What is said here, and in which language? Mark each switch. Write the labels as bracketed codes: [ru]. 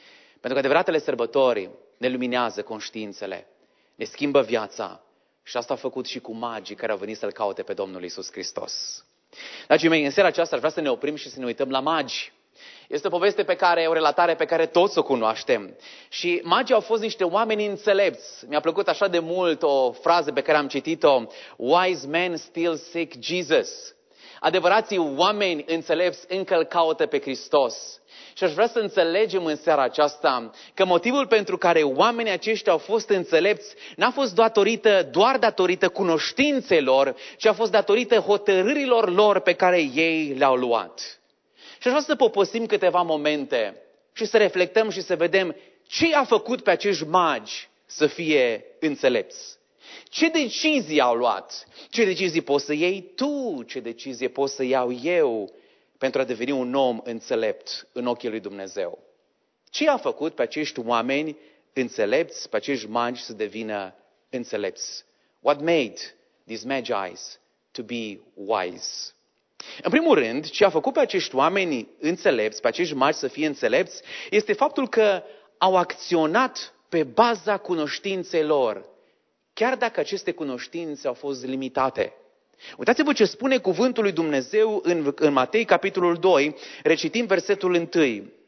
[ro] Pentru că adevăratele sărbători ne luminează conștiințele, ne schimbă viața, și asta a făcut și cu magii care au venit să-L caute pe Domnul Iisus Hristos. Dragii mei, în seara aceasta aș vrea să ne oprim și să ne uităm la magi. Este o poveste pe care, o relatare pe care toți o cunoaștem. Și magii au fost niște oameni înțelepți. Mi-a plăcut așa de mult o frază pe care am citit-o. [en] Wise men still seek Jesus. [ro] Adevărații oameni înțelepți încă îl caută pe Hristos. Și aș vrea să înțelegem în seara aceasta că motivul pentru care oamenii aceștia au fost înțelepți n-a fost doar datorită cunoștințelor, ci a fost datorită hotărârilor lor pe care ei le-au luat. Și aș vrea să poposim câteva momente și să reflectăm și să vedem ce a făcut pe acești magi să fie înțelepți. Ce decizii au luat? Ce decizii poți să iei tu? Ce decizie pot să iau eu pentru a deveni un om înțelept în ochii lui Dumnezeu? Ce a făcut pe acești oameni înțelepți, pe acești magi să devină înțelepți? [en] What made these magi to be wise? [ro] În primul rând, ce a făcut pe acești oameni înțelepți, pe acești magi să fie înțelepți, este faptul că au acționat pe baza cunoștințelor. Chiar dacă aceste cunoștințe au fost limitate. Uitați-vă ce spune cuvântul lui Dumnezeu în Matei, capitolul 2, recitim versetul 1.